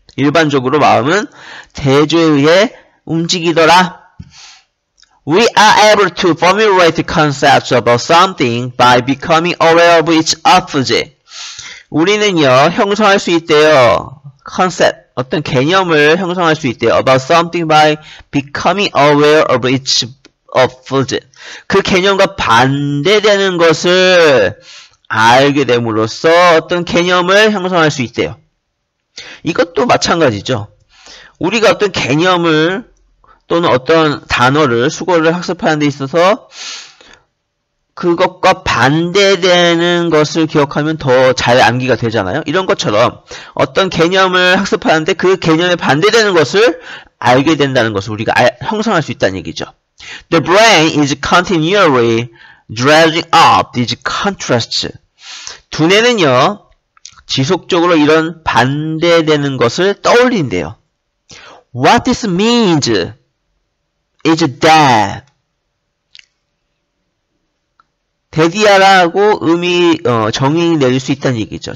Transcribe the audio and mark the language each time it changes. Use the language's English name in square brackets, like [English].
[Korean] 일반적으로 마음은 대조에 의해 움직이더라. [English] We are able to formulate concepts about something by becoming aware of its opposite. [Korean] 우리는요, 형성할 수 있대요. concept, 어떤 개념을 형성할 수 있대요. [English] about something by becoming aware of its opposite. [Korean] 그 개념과 반대되는 것을 알게 됨으로써 어떤 개념을 형성할 수 있대요. 이것도 마찬가지죠. 우리가 어떤 개념을 또는 어떤 단어를 수거를 학습하는 데 있어서 그것과 반대되는 것을 기억하면 더잘 암기가 되잖아요. 이런 것처럼 어떤 개념을 학습하는데 그 개념에 반대되는 것을 알게 된다는 것을 우리가 형성할 수 있다는 얘기죠. [English] The brain is continually dredging up these contrasts. [Korean] 두뇌는요, 지속적으로 이런 반대되는 것을 떠올린대요. [English] What this means? is that [Korean] 데디아라고 정의 내릴 수 있다는 얘기죠.